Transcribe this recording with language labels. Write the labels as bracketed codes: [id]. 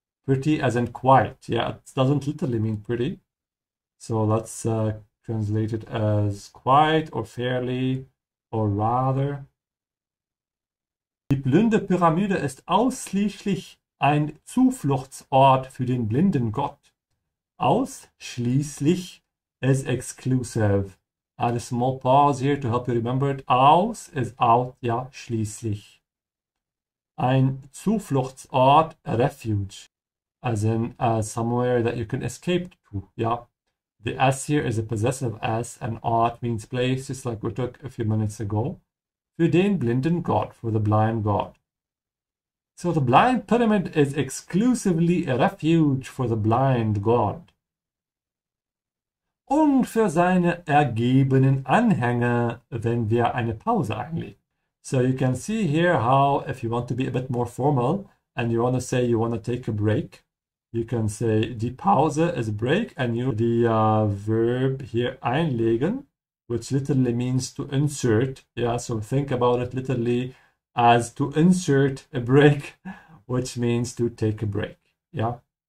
[en] Pretty as in quite. Yeah, it doesn't literally mean pretty. So let's translate it as quite or fairly or rather. [de] Die blinde Pyramide ist ausschließlich ein Zufluchtsort für den blinden Gott. [en] Ausschließlich is exclusive. Add a small pause here to help you remember it. Aus is out, ja, schließlich. Ein Zufluchtsort, a refuge. As in somewhere that you can escape to, yeah. The S here is a possessive S, and Ort means place, just like we took a few minutes ago. [de] Für den blinden Gott, [en] for the blind God. So the blind pyramid is exclusively a refuge for the blind god. [de] Und für seine ergebenen Anhänger, wenn wir eine Pause einlegen. [en] So you can see here how, if you want to be a bit more formal and you want to say you want to take a break, you can say die Pause is a break and you the verb here einlegen, which literally means to insert. Yeah, so think about it literally as to insert a break, which means to take a break. Yeah.